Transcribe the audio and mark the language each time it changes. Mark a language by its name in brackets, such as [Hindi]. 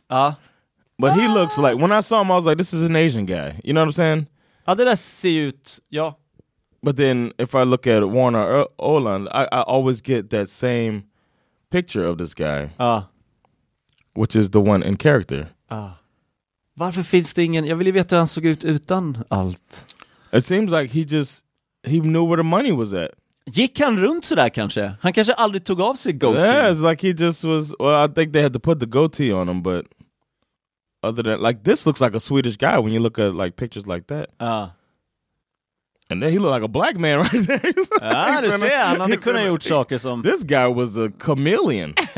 [English] But he looks like, when I saw him, I was like, this is an Asian guy. You know what I'm saying? How did I see it? Yeah. But then if I look at Warner Ölund, I always get that same picture of this guy. Which is the one in character. [Swedish] Varför finns det ingen? Jag vill ju veta hur han såg ut utan allt. [English] It seems like he knew where the money was at. [Swedish] Gick han runt sådär kanske? Han kanske aldrig tog av sig goatee. [English] Yeah, it's like he just was, well, I think they had to put the goatee on him, but other than, like, this looks like a Swedish guy when you look at, like, pictures like that. And then he looked like a black man right there. [Swedish] Ah, du ser han. Han kunde ha gjort saker som... [English] This guy was a chameleon.